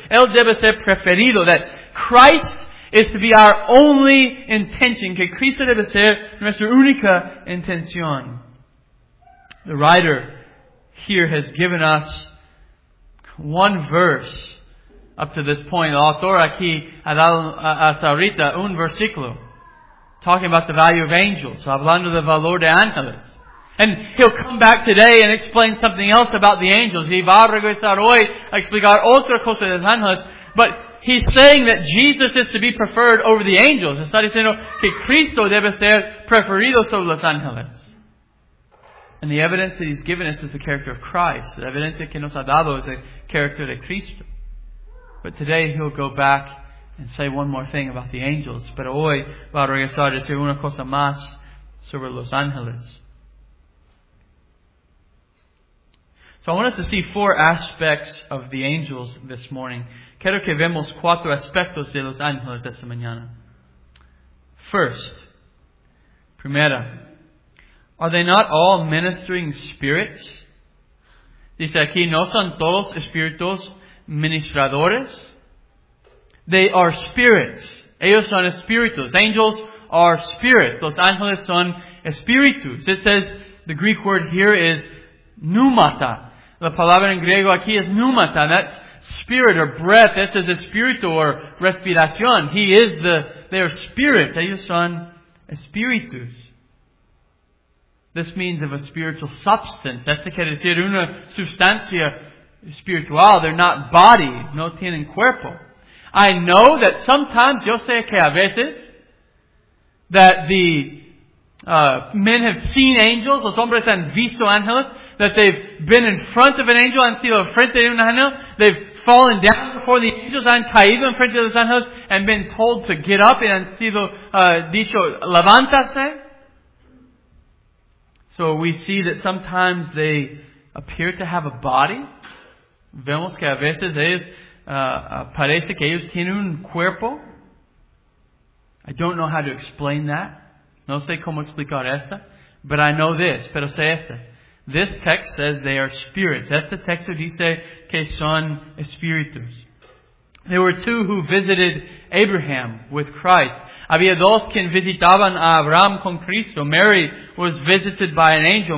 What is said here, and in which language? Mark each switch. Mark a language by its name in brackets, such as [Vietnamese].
[Spanish] Él debe ser preferido. [English] That Christ is to be our only intention. [Spanish] Que Cristo debe ser nuestra única intención. [English] The writer here has given us one verse up to this point. [Spanish] El autor aquí ha dado hasta ahorita un versículo. [English] Talking about the value of angels. [Spanish] Hablando del valor de ángeles. [English] And he'll come back today and explain something else about the angels. [Spanish] Y va a regresar hoy a explicar otra cosa de los ángeles. [English] But he's saying that Jesus is to be preferred over the angels. [Spanish] Está diciendo que Cristo debe ser preferido sobre los ángeles. [English] And the evidence that he's given us is the character of Christ. [Spanish] La evidencia que nos ha dado es el carácter de Cristo. [English] But today he'll go back and say one more thing about the angels. [Spanish] Pero hoy va a regresar a decir una cosa más sobre los ángeles. [English] So I want us to see four aspects of the angels this morning. [Spanish] Quiero que vemos cuatro aspectos de los ángeles esta mañana. [English] First, [Spanish] primera, [English] are they not all ministering spirits? [Spanish] Dice aquí, ¿no son todos espíritus ministradores? [English] They are spirits. [Spanish] Ellos son espíritus. [English] Angels are spirits. [Spanish] Los ángeles son espíritus. [English] It says, the Greek word here is pneumata. [Spanish] La palabra en griego aquí es pneumata. [English] That's spirit or breath. This is [Spanish] espíritu [English] or [Spanish] respiración. [English] He is their spirit. [Spanish] Ellos son espíritus. [English] This means of a spiritual substance. [Spanish] Esto quiere decir una sustancia espiritual. [English] They're not body. [Spanish] No tienen cuerpo. [English] I know that sometimes, [Spanish] yo sé que a veces, [English] that the men have seen angels, [Spanish] los hombres han visto ángeles, [English] that they've been in front of an angel, [Spanish] han sido frente de un ángel, [English] they've fallen down before the angels, [Spanish] han caído en frente de los ángeles, [English] and been told to get up, and [Spanish] han sido dicho, levántase. [English] So we see that sometimes they appear to have a body. [Spanish] Vemos que a veces ellos, parece que ellos tienen un cuerpo. [English] I don't know how to explain that. [Spanish] No sé cómo explicar esta. [English] But I know this. [Spanish] Pero sé esta. [English] This text says they are spirits. [Spanish] Este texto dice que son espíritus. [English] There were two who visited Abraham with Christ. [Spanish] Había dos quien visitaban a Abraham con Cristo. [English] Mary was visited by an angel.